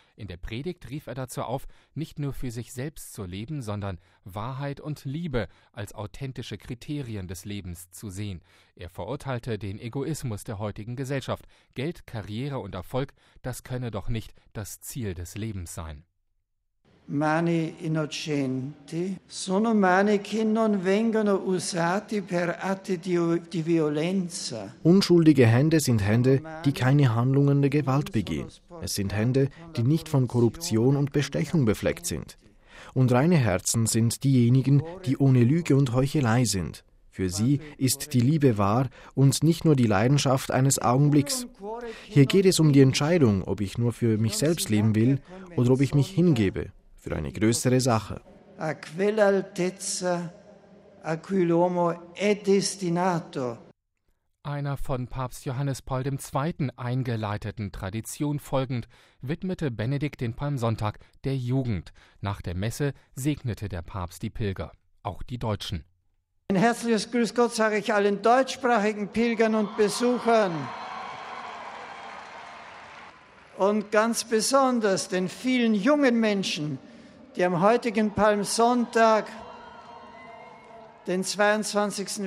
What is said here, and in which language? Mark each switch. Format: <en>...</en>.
<de>In der Predigt rief er dazu auf, nicht nur für sich selbst zu leben, sondern Wahrheit und Liebe als authentische Kriterien des Lebens zu sehen. Er verurteilte den Egoismus der heutigen Gesellschaft. Geld, Karriere und Erfolg, das könne doch nicht das Ziel des Lebens sein.</de> <it>Mani innocenti sono mani che non vengono usate per atti di violenza.</it> <de>Unschuldige Hände sind Hände, die keine Handlungen der Gewalt begehen. Es sind Hände, die nicht von Korruption und Bestechung befleckt sind. Und reine Herzen sind diejenigen, die ohne Lüge und Heuchelei sind. Für sie ist die Liebe wahr und nicht nur die Leidenschaft eines Augenblicks. Hier geht es um die Entscheidung, ob ich nur für mich selbst leben will oder ob ich mich hingebe für eine größere Sache.</de> <it>A quell'altezza a cui l'uomo è destinato.</it> <de>Einer von Papst Johannes Paul II. Eingeleiteten Tradition folgend, widmete Benedikt den Palmsonntag der Jugend. Nach der Messe segnete der Papst die Pilger, auch die Deutschen. Ein herzliches Grüß Gott sage ich allen deutschsprachigen Pilgern und Besuchern und ganz besonders den vielen jungen Menschen, die am heutigen Palmsonntag den 22.</de>